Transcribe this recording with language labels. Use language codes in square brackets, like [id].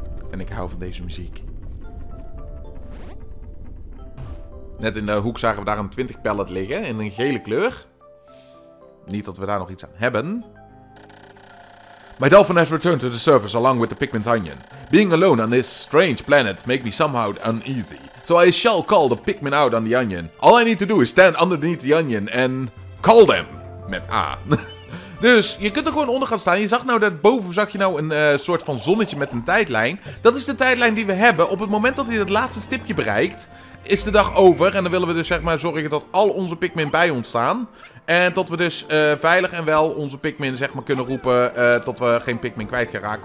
[nl] En ik hou van deze muziek. Net in de hoek zagen we daar een 20 pallet liggen in een gele kleur. Niet dat we daar nog iets aan hebben. [en] My dolphin has returned to the surface along with the Pikmin's onion. Being alone on this strange planet makes me somehow uneasy. So I shall call the Pikmin out on the onion. All I need to do is stand underneath the onion and call them. [nl] Met A. Dus je kunt er gewoon onder gaan staan. Je zag nou daarboven zag je nou een soort van zonnetje met een tijdlijn. Dat is de tijdlijn die we hebben. Op het moment dat hij dat laatste stipje bereikt, is de dag over. En dan willen we dus zeg maar zorgen dat al onze Pikmin bij ons staan. En tot we dus veilig en wel onze Pikmin zeg maar kunnen roepen tot we geen Pikmin kwijt gaan raken.